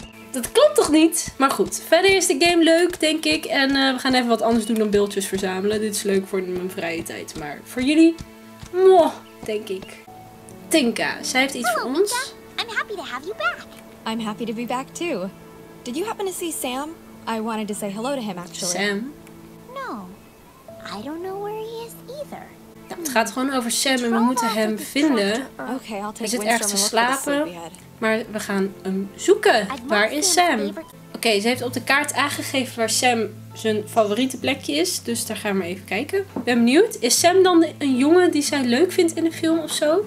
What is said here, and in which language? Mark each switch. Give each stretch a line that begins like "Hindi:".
Dutch: Dat klopt toch niet? Maar goed, verder is de game leuk, denk ik. En we gaan even wat anders doen dan beeldjes verzamelen. Dit is leuk voor mijn vrije tijd, maar voor jullie... mwah, denk ik. Tinka, zij heeft iets voor ons.
English: I'm happy to have you back. I'm happy to be back too. Did you happen to see Sam? I wanted to say hello to him, actually. Sam? No, I don't know where he is either.
Dutch: Nou, het gaat gewoon over Sam en we moeten hem vinden.
English: Okay, I'll take.
Dutch: Hij zit ergens te slapen. Maar we gaan hem zoeken. Waar is Sam? Oké, ze heeft op de kaart aangegeven waar Sam zijn favoriete plekje is. Dus daar gaan we even kijken. Ik ben benieuwd. Is Sam dan een jongen die zij leuk vindt in de film of zo?